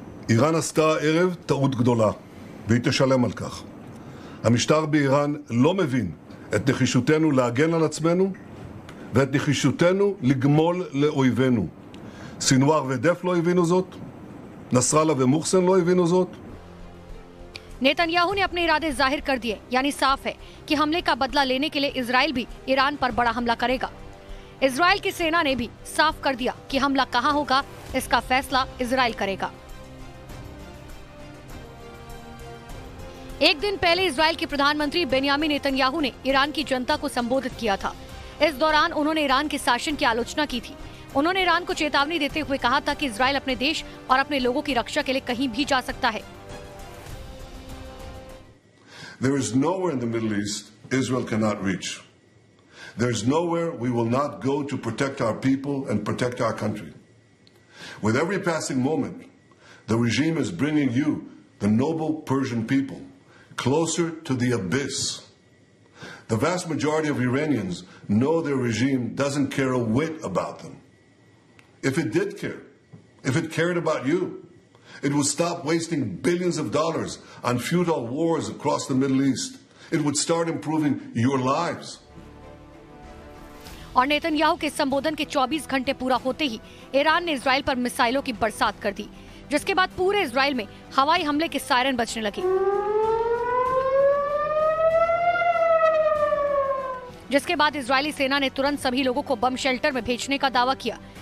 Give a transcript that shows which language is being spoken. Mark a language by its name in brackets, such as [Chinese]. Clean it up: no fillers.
[Hebrew] איראן עשתה ערב טעות גדולה, והיא תשלם על כך. המשטר באיראן לא מבין את נחישותנו להגן על עצמנו ואת נחישותנו לגמול לאויבינו. סינואר ודף לא הבינו זאת, נסראללה ומוחסן לא הבינו זאת. [Hindi] נתניהו ने अपने इरादे जाहिर कर दिए, यानी साफ है कि हमले का बदला लेने के लिए इजराइल भी ईरान पर बड़ा हमला करेगा। इजराइल की सेना ने भी साफ कर दिया कि हमला कहां होगा, इसका फैसला इजराइल करेगा। एक दिन पहले इसराइल के प्रधानमंत्री बेन्यामिन नेतन्याहू ने ईरान की जनता को संबोधित किया था। इस दौरान उन्होंने ईरान के शासन की आलोचना की थी। उन्होंने ईरान को चेतावनी देते हुए कहा था कि इसराइल अपने देश और अपने लोगों की रक्षा के लिए कहीं भी जा सकता है। [English] There is nowhere in the Middle East Israel cannot reach. There is nowhere we will not go to protect our people and protect our country. With every passing moment, the regime is bringing you, the noble Persian people, closer to the abyss. The vast majority of Iranians know their regime doesn't care a whit about them. If it did care, if it cared about you, it would stop wasting billions of dollars on futile wars across the Middle East. It would start improving your lives. [Hindi] और Netanyahu के संबोधन के 24 घंटे पूरा होते ही Iran ने Israel पर मिसाइलों की बरसात कर दी, जिसके बाद पूरे इजराइल में हवाई हमले के सायरन बजने लगे, जिसके बाद इजरायली सेना ने तुरंत सभी लोगों को बम शेल्टर में भेजने का दावा किया।